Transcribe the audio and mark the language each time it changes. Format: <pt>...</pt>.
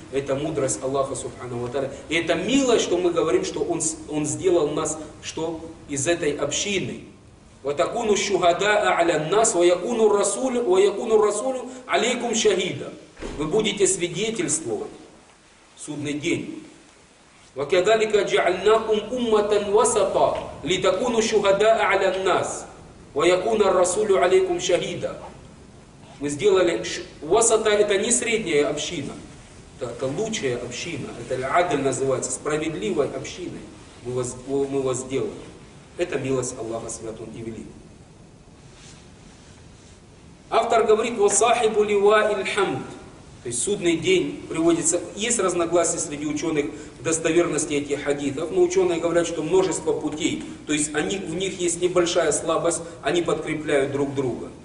<ru>Это мудрость Аллаха, субхана ва тааля. И это милость, что мы говорим, что он сделал нас, что из этой общины.</ru> <ar>وَتَكُونُ الشُّهَدَاءَ عَلَى النَّاسِ وَيَكُونُ الرَّسُولُ عَلَيْكُمْ شَهِيدًا.</ar> <ru>Вы будете свидетельствовать в судный день.</ru> <ar>وَكَذَلِكَ جَعَلْنَاكُمْ أُمَّةً وَسَطًا لِتَكُونُ الشُّهَدَاءَ عَلَى النَّاسِ وَيَكُونَ الرَّسُولُ عَلَيْكُمْ شَهِيدًا.</ar> <ru>Мы сделали... Васата — это не средняя община. Это лучшая община. Это Адль называется, справедливой общиной. Мы вас сделали. Это милость Аллаха Святого и Великого. Автор говорит,</ru> <ar>«Ва сахибу лива ильхамд».</ar> <ru>То есть судный день приводится. Есть разногласия среди ученых в достоверности этих хадитов, но ученые говорят, что множество путей, то есть они, в них есть небольшая слабость, они подкрепляют друг друга.</ru>